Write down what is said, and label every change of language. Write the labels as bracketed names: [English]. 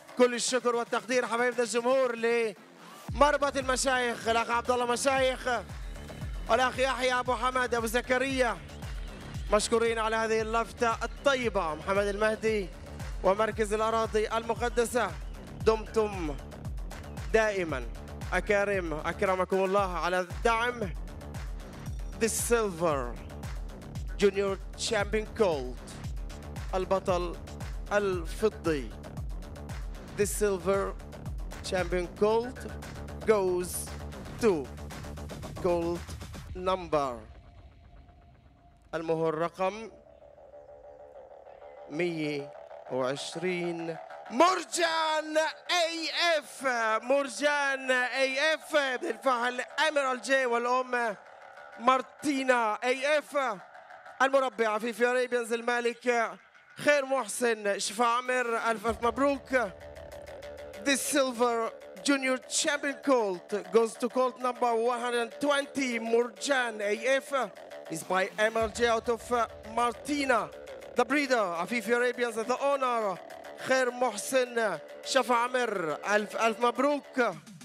[Arabic] كل الشكر والتقدير حبايبنا الجمهور لمربط المشايخ الأخ عبد الله المشايخ والأخ يحيى أبو حمد أبو زكريا. مشكورين على هذه اللفتة الطيبة. محمد المهدي ومركز الأراضي المقدسة دمتم دائما أكارم. أكرمكم الله على الدعم. [English] The Silver Junior Champion Colt [Arabic] البطل الفضي. [English] The Silver Champion Colt goes to Colt number [Arabic] المهر رقم [English] 120 مرجان اي اف. [Arabic] مرجان اي اف بالفعل إميرال جي والام مارتينا اي اف. المربع في أرابيانز الملك خير محسن شفا عمر ألف ألف مبروك. [English] The silver junior champion colt goes to colt number 120 Murjan AF is by MLJ out of Martina. The breeder Afifi Arabians, the owner Khair Mohsen Shafa Amir, [Arabic] Alf Alf Mabrouk.